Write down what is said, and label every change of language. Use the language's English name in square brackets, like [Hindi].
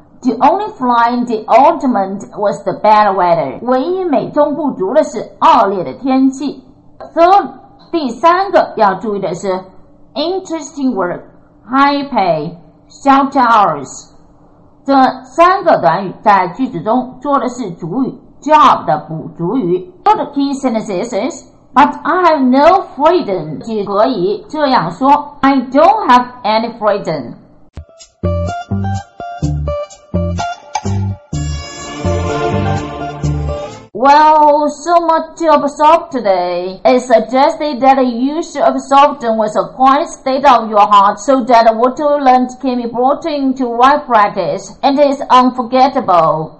[English] The only fly in the ointment was the bad weather. [Chinese] 唯一美中不足的是恶劣的天气。 [English] Third, [Chinese] 第三个要注意的是 [English] interesting work, high pay, short hours. [Chinese] 这三个短语在句子中做的是主语 job 的补足语。 [English] Third key sentences is, but I have no freedom. [Chinese] 你可以这样说 [English] I don't have any freedom. Well, so much to absorb today. It suggested that you should absorb them with a quiet state of your heart so that what you learned can be brought into right practice and is unforgettable.